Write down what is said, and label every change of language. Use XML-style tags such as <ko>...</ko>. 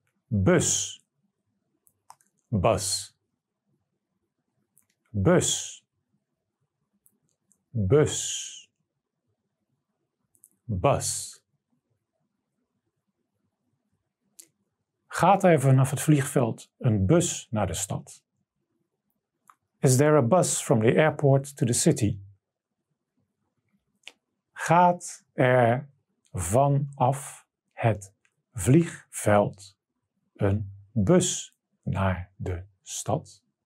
<nl>Bus. Bus. Bus. Bus. Bus. Gaat er vanaf het vliegveld een bus naar de stad?</nl> <en>Is there a bus from the airport to the city?</en> <nl>Gaat er vanaf het vliegveld een bus naar de stad?</nl>